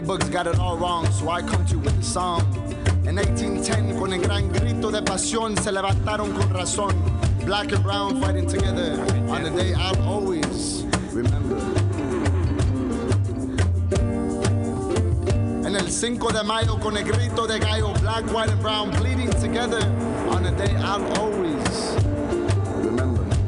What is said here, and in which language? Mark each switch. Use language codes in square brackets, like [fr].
[en] Got it all wrong, so I come to you with a song. [es] In 1810, con el gran grito de pasión, se levantaron con razón. [en] Black and brown fighting together on the day I'll always remember. [es] En el 5 de mayo, con el grito de gallo, [en] black, white, and brown pleading together on the day I'll always remember.